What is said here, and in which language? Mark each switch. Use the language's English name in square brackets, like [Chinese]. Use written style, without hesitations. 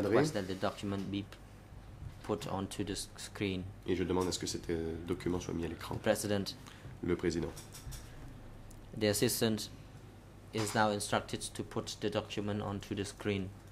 [English] May I request that the document be put onto the screen? [French] Et je demande à ce que ce document soit mis à l'écran. [English] President. [French] Le président. [English] The assistant is now instructed to put the document onto the screen.